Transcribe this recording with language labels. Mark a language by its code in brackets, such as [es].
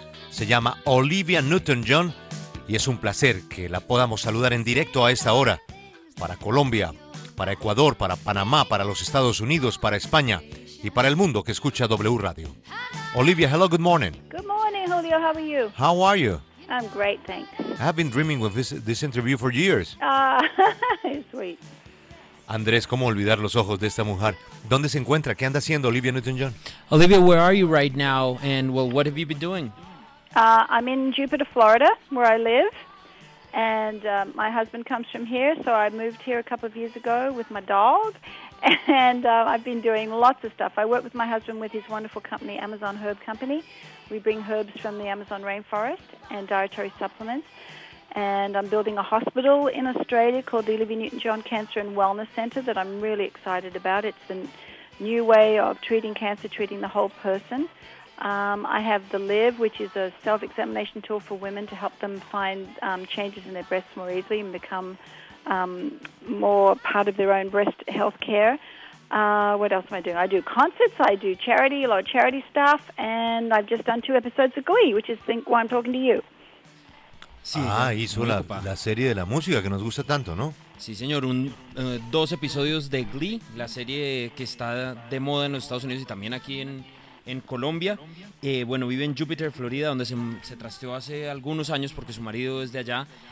[es] Se llama Olivia Newton-John y es un placer que la podamos saludar en directo a esta hora para Colombia, para Ecuador, para Panamá, para los Estados Unidos, para España y para el mundo que escucha W Radio. [en] Olivia, hello, good morning. Good morning, Julio, how are you? How are you? I'm great, thanks. I've been dreaming of this interview for years. Sweet. [es] Andrés, ¿cómo olvidar los ojos de esta mujer? ¿Dónde se encuentra? ¿Qué anda haciendo Olivia Newton-John? [en] Olivia, where are you right now? And, well, what have you been doing? I'm in Jupiter, Florida, where I live. And my husband comes from here, so I moved here a couple of years ago with my dog. And I've been doing lots of stuff. I work with my husband with his wonderful company, Amazon Herb Company. We bring herbs from the Amazon rainforest and dietary supplements. And I'm building a hospital in Australia called the Olivia Newton-John Cancer and Wellness Center that I'm really excited about. It's a new way of treating cancer, treating the whole person. I have the Live, which is a self-examination tool for women to help them find changes in their breasts more easily and become more part of their own breast health care. What else am I doing? I do concerts, I do charity, a lot of charity stuff, and I've just done two episodes of Glee, which is why I'm talking to you. [es] Sí, hizo la serie de la música que nos gusta tanto, ¿no? Sí, señor, dos episodios de Glee, la serie que está de moda en los Estados Unidos y también aquí en Colombia. Bueno, vive en Jupiter, Florida, donde se trasteó hace algunos años porque su marido es de allá.